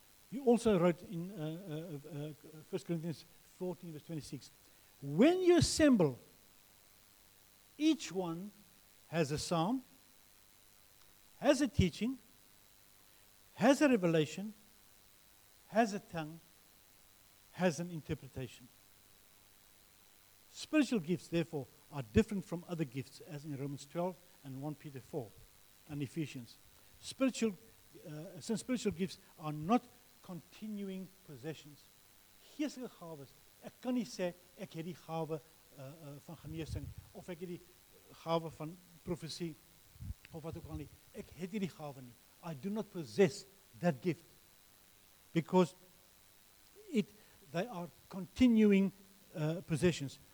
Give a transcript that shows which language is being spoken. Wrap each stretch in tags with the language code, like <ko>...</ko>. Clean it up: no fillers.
<en>He also wrote in 1 Corinthians 14, verse 26, when you assemble, each one has a psalm, has a teaching, has a revelation, has a tongue, has an interpretation. Spiritual gifts, therefore, are different from other gifts, as in Romans 12 and 1 Peter 4 and Ephesians. Spiritual gifts are not continuing possessions. Here's the gawes.</en> <af>Ek kan nie sê ek het die gawe van genesing of ek het die gawe van profesie of wat ook al nie. Ek het nie die gawe nie.</af> <en>I do not possess that gift because they are continuing possessions.</en>